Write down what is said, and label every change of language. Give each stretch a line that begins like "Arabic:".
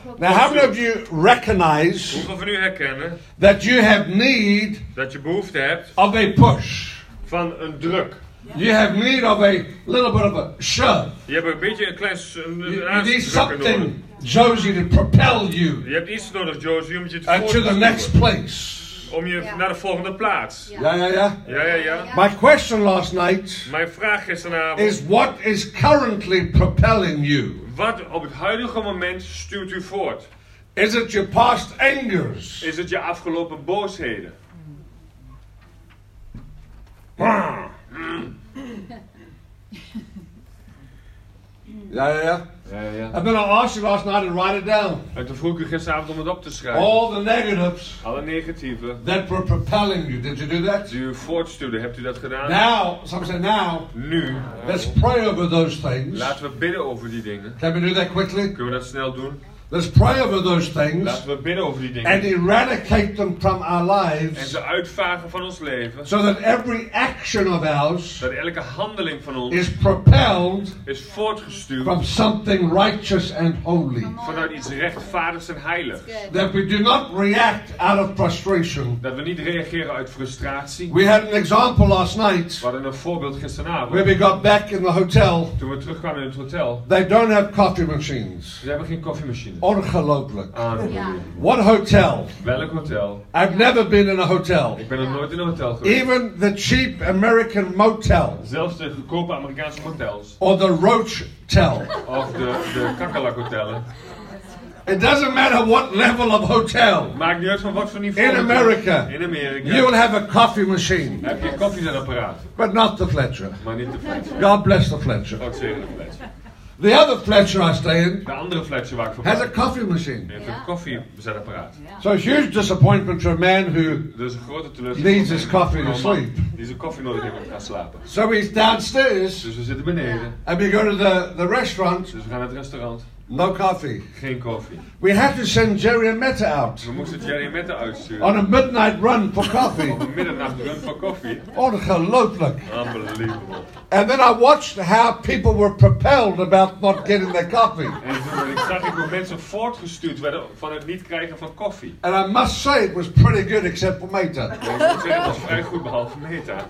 English: Now, how many of you recognize that you have need of a push?
Dutch: Van een druk.
English: You have need of a little bit of a shove.
Dutch: Je hebt een beetje een klein
English: aandrukken. You need something, Josie, to propel you.
Dutch: Je hebt iets nodig, Josie, om je te
English: voortdoen. To the next place.
Dutch: Om je naar de volgende plaats.
English: Ja. My question last night.
Dutch: Mijn vraag gisteravond.
English: Is what is currently propelling you?
Dutch: Wat op het huidige moment stuurt u voort?
English: Is it your past angers?
Dutch: Is het je afgelopen boosheden? Ja. Ja.
English: I'm going to ask you last night to write it down.
Dutch: En toen vroeg ik u gisteravond om het op te schrijven.
English: All the negatives.
Dutch: Alle negatieve.
English: That were propelling you. Did you do that?
Dutch: Die u voortstuurde. Hebt u dat gedaan?
English: Now, someone said now.
Dutch: Nu.
English: Let's pray over those things.
Dutch: Laten we bidden over die dingen.
English: Can we do that quickly?
Dutch: Kunnen we dat snel doen?
English: Let's pray over those things.
Dutch: Laten we bidden over die dingen.
English: And eradicate them from our lives.
Dutch: En ze uitvagen van ons leven.
English: So that every action of ours.
Dutch: Dat elke handeling van ons.
English: Is propelled.
Dutch: Is voortgestuurd.
English: From something righteous and holy.
Dutch: Vanuit iets rechtvaardigs en heiligs.
English: That we do not react out of frustration.
Dutch: Dat we niet reageren uit frustratie.
English: We had an example last night.
Dutch: We hadden een voorbeeld gisteravond.
English: When we got back in the hotel.
Dutch: Toen we terugkwamen in het hotel.
English: They don't have coffee machines.
Dutch: Ze hebben geen koffiemachines. Ongelooflijk.
English: Yeah. What hotel?
Dutch: Welk hotel?
English: I've never been in a hotel.
Dutch: Ik ben nog nooit in een hotel geweest.
English: Even the cheap American motel.
Dutch: Zelfs de goedkope Amerikaanse hotels.
English: Or the roach tel.
Dutch: Of de kakkerlak hotellen.
English: It doesn't matter what level of hotel.
Dutch: Maakt niet uit van wat voor niveau.
English: In America.
Dutch: In Amerika.
English: You will have a coffee machine.
Dutch: Heb je een koffiezetapparaat.
English: But not the Fletcher.
Dutch: Maar niet de Fletcher.
English: God bless the Fletcher.
Dutch: God zegen de Fletcher.
English: The other Fletcher I stay in.
Dutch: De andere Fletcher waar ik voor
English: has a coffee machine.
Dutch: Heeft een koffiezetapparaat.
English: So a huge disappointment for a man who
Dutch: dus een grote
English: needs his coffee to sleep.
Dutch: Die zijn koffie nodig heeft om te gaan slapen.
English: So he's downstairs.
Dutch: Dus we zitten beneden.
English: And we go to the restaurant.
Dutch: Dus we gaan naar het restaurant.
English: No coffee.
Dutch: Geen koffie.
English: We had to send Jerry and Mette out.
Dutch: We moesten Jerry en Mette uitsturen.
English: On a midnight run for coffee.
Dutch: Op een middernacht run voor koffie. Ongelooflijk.
English: Unbelievable. And then I watched how people were propelled about not getting their coffee.
Dutch: En ik zag hoe mensen voortgestuurd werden van het niet krijgen van koffie.
English: And I must say it was pretty good except for Mette.
Dutch: Ik moet zeggen het was vrij goed behalve Mette.